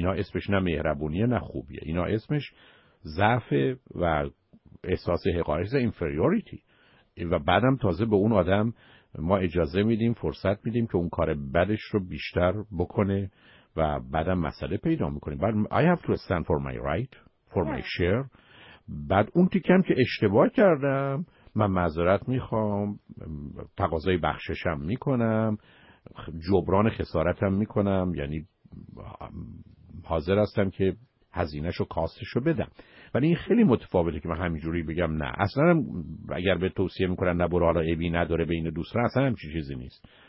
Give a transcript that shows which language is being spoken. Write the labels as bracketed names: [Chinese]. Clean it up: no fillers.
[Persian] اینا اسمش نه مهربونیه نه خوبیه، اینا اسمش ضعف و احساس حقارت، اینفریوریتی. و بعدم تازه به اون آدم ما اجازه میدیم، فرصت میدیم که اون کار بدش رو بیشتر بکنه و بعدم مسئله پیدا میکنه. بعد [English] I have to stand for my right for my share. [Persian] بعد اون تیکم که اشتباه کردم من معذرت میخوام، تقاضای بخششم میکنم، جبران خسارتم میکنم، یعنی حاضر هستم که هزینهشو کاستشو بدم. ولی این خیلی متفاوته که من همینجوری بگم نه. اصلا اگر به توصیه میکنن نبرو، حالا ایبی نداره بین دوستان، اصلا هم چیزی نیست.